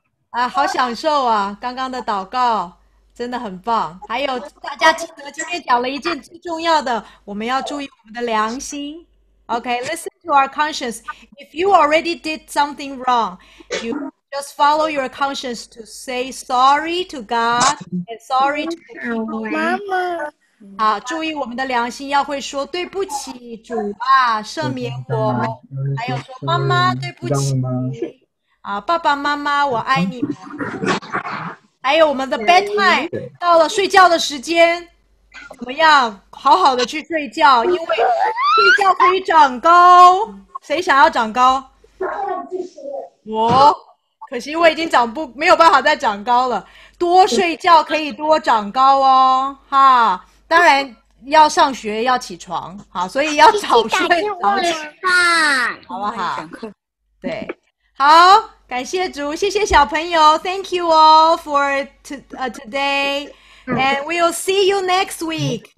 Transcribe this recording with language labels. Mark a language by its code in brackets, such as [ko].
[zh] 啊，好享受啊，刚刚的祷告。真的很棒，还有大家记得今天讲了一件最重要的，我们要注意我们的良心。 [en] Okay, listen to our conscience. If you already did something wrong, you just follow your conscience to say sorry to God and sorry to the people. [zh] 好，注意我们的良心，要会说对不起，主啊，赦免我，还有说妈妈对不起，啊，爸爸妈妈我爱你们。还有我们的 bedtime 到了睡觉的时间，怎么样？好好的去睡觉，因为睡觉可以长高。谁想要长高？我，可惜我已经长不没有办法再长高了。多睡觉可以多长高哦，哈！当然要上学要起床，好，所以要早睡早起，好不好？对，好。感谢主，谢谢小朋友 [en] ，Thank you all for today, and we'll see you next week.